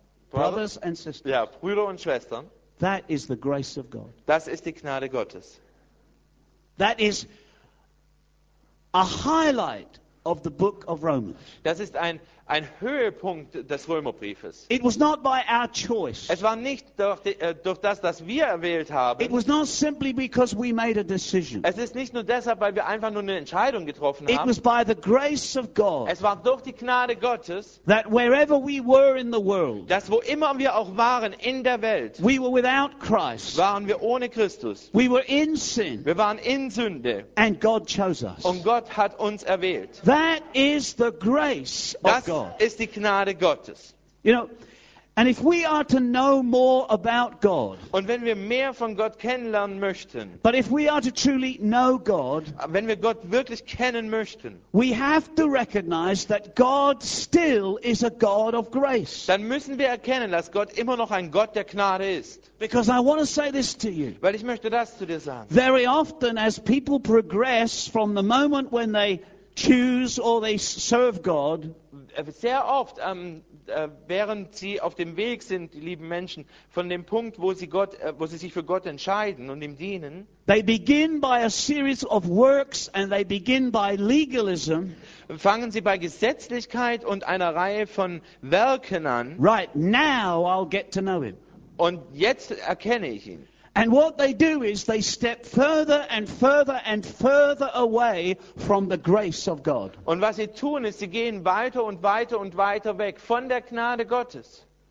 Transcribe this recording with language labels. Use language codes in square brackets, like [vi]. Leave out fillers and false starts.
[en] brothers and sisters, [de] ja, Brüder und Schwestern, [en] that is the grace of God. [de] Das ist die Gnade Gottes. [en] That is a highlight of the book of Romans. [de] Das ist ein Höhepunkt des Römerbriefes. [en] It was not by our choice. [de] Es war nicht durch das, dass wir erwählt haben. [en] It was not simply because we made a decision. [de] Es ist nicht nur deshalb, weil wir einfach nur eine Entscheidung getroffen haben. [en] It was by the grace of God. [de] Es war durch die Gnade Gottes. [en] That wherever we were in the world. [de] Dass wo immer wir auch waren in der Welt. [en] We were without Christ. [de] Waren wir ohne Christus. [en] We were in sin. [de] Wir waren in Sünde. [en] And God chose us. [de] Und Gott hat uns erwählt. [en] That is the grace of God. [de] Ist die Gnade Gottes. [en] You know, and if we are to know more about God, [de] und wenn wir mehr von Gott kennenlernen möchten, [en] but if we are to truly know God, [de] wenn wir Gott wirklich kennen möchten, [en] we have to recognize that God still is a God of grace. [de] Dann müssen wir erkennen, dass Gott immer noch ein Gott der Gnade ist. [en] Because I want to say this to you. [de] Weil ich möchte das zu dir sagen. [en] Very often, as people progress from the moment when they choose or they serve God. [de] Sehr oft, während sie auf dem Weg sind, die lieben Menschen, von dem Punkt, wo sie sich für Gott entscheiden und ihm dienen. [en] They begin by a series of works and they begin by legalism. [de] Fangen sie bei Gesetzlichkeit und einer Reihe von Werken an. [en] Right now, I'll get to know him. [de] Und jetzt erkenne ich ihn. [en] And what they do is they step further and further and further away from the grace of God. [de] Und was sie tun ist, sie gehen weiter und weiter und weiter weg von der Gnade Gottes.